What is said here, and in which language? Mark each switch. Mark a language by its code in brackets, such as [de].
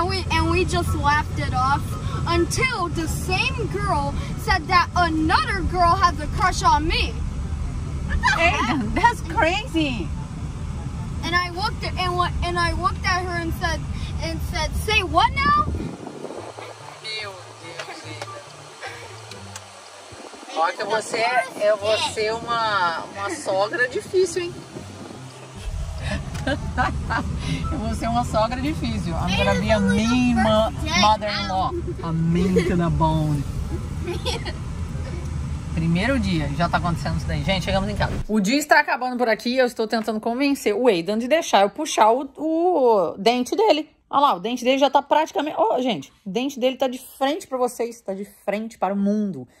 [en] And we just laughed it off, until the same girl said that another girl has a crush on me. That's crazy. And I looked at her and said, say what now? [pt] Meu Deus, Aida. Olha, você é você uma sogra difícil, hein? Eu vou ser uma sogra difícil. [en] I'm gonna be a mean mother-in-law. A mean to the bone. [pt] Primeiro dia, já tá acontecendo isso daí. Gente, chegamos em casa. O dia está acabando por aqui e eu estou tentando convencer o Aidan de deixar eu puxar o dente dele. Olha lá, o dente dele já tá praticamente... Ó, gente, o dente dele tá de frente pra vocês, tá de frente para o mundo.